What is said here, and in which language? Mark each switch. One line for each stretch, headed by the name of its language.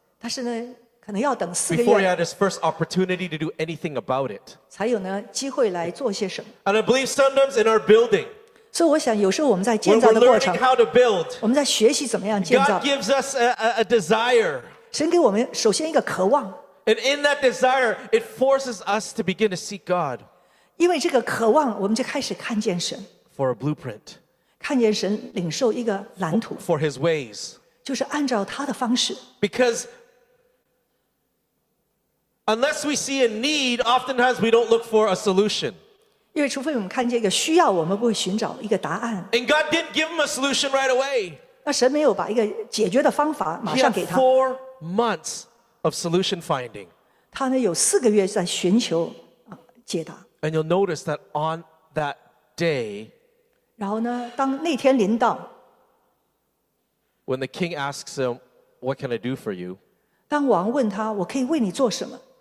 Chinese: 但是呢，可能要等四个月
English: before he had his first opportunity to do anything about it,
Chinese: 才有呢机会来做些什么
English: and I believe sometimes in our building.
Chinese: 所以我想有时候我们在建造的过程
English: build,
Chinese: 我们在学习怎么样建造
English: God gives us a desire
Chinese: 神给我们首先一个渴望
English: And in that desire it forces us to begin to seek God
Chinese: 因为这个渴望我们就开始看见神
English: For a blueprint
Chinese: 看见神领受一个蓝图
English: For his ways
Chinese: 就是按照他的方式
English: Because unless we see a need oftentimes we don't look for a solution
Chinese: 因为除非我们看见一个需要，我们不会寻找一个答案。
English: And God didn't give him a solution right away.
Chinese: 那神没有把一个解决的方法马上给他。
English: He had 4 months of solution finding.
Chinese: 他呢有四个月在寻求解答。
English: And you'll notice that on that day.
Chinese: 然后呢，当那天临到。
English: When the king asks him, "What can I do for you?"
Chinese: 当王问他，我可以为你做什么